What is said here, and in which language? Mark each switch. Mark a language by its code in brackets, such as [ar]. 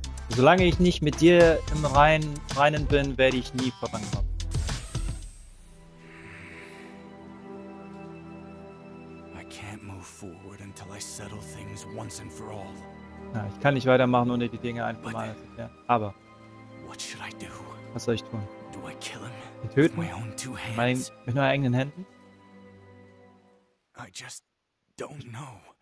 [de] Solange ich nicht mit dir im Reinen bin, werde ich nie vorankommen. [en] I can't move forward until I settle things once and for all. [de] Na, ich kann nicht weitermachen ohne die Dinge einfach mal. Ja. Aber... [en] what should I do? [de] Was soll ich tun? [en] Do I kill him? [de] Töten? Mit meinen eigenen Händen? [en] I just don't know.